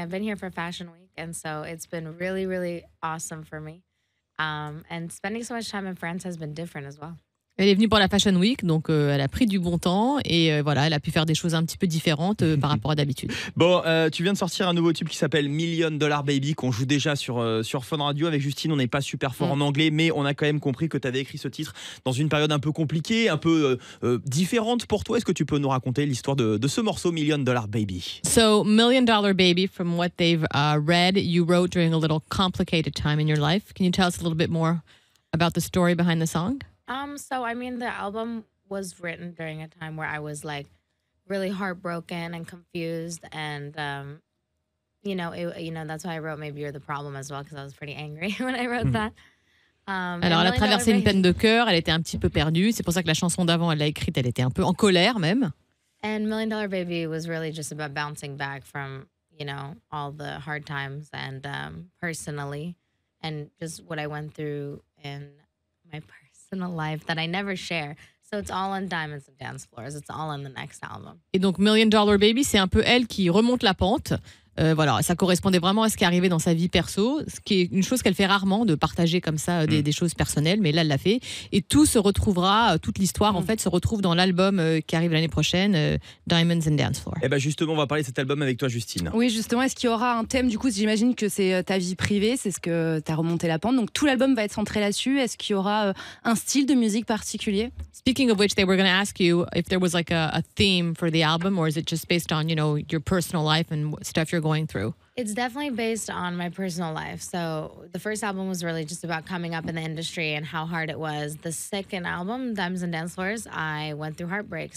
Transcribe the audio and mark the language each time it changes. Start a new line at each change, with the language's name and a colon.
English: I've been here for Fashion Week, and so it's been really, really awesome for me. And spending so much time in France has been different as well.
French: Elle est venue pour la Fashion Week, donc elle a pris du bon temps et voilà, elle a pu faire des choses un petit peu différentes par rapport à d'habitude. Bon, tu viens de sortir un nouveau tube qui s'appelle Million Dollar Baby, qu'on joue déjà sur Fun Radio. Avec Justine, on n'est pas super fort en anglais, mais on a quand même compris que tu avais écrit ce titre dans une période un peu compliquée, un peu différente pour toi. Est-ce que tu peux nous raconter l'histoire de ce morceau Million Dollar Baby?
English: So, Million Dollar Baby, from what they've read, you wrote during a little complicated time in your life. Can you tell us a little bit more about the story behind the song? So, I mean, the album was written during a time where I was, like, really heartbroken and confused. And, you know, that's why I wrote Maybe You're the Problem as well, because I was pretty angry when I wrote that.
French: Alors, elle a traversé une peine de cœur, elle était un petit peu perdue. C'est pour ça que la chanson d'avant, elle l'a écrite, elle était un peu en colère même.
English: And Million Dollar Baby was really just about bouncing back from, you know, all the hard times and personally. And just what I went through in my personal in a life that I never share. So it's all on Diamonds and Dance Floors. It's all on the next album.
French: Et donc Million Dollar Baby, c'est un peu elle qui remonte la pente. Voilà, ça correspondait vraiment à ce qui est arrivé dans sa vie perso, ce qui est une chose qu'elle fait rarement, de partager comme ça des choses personnelles, mais là, elle l'a fait. Et tout se retrouvera, toute l'histoire, en fait, se retrouve dans l'album qui arrive l'année prochaine, Diamonds and Dance Floor. Et bien justement, on va parler de cet album avec toi, Justine. Oui, justement, est-ce qu'il y aura un thème? Du coup, j'imagine que c'est ta vie privée, c'est ce que tu as remonté la pente. Donc tout l'album va être centré là-dessus. Est-ce qu'il y aura un style de musique particulier?
English: Speaking of which, they were going to ask you if there was like a theme for the album, or is it just based on, you know, your personal life and stuff you're going through? It's definitely based on my personal life. So the first album was really just about coming up in the industry and how hard it was. The second album, Diamonds and Dance Floors, I went through heartbreak.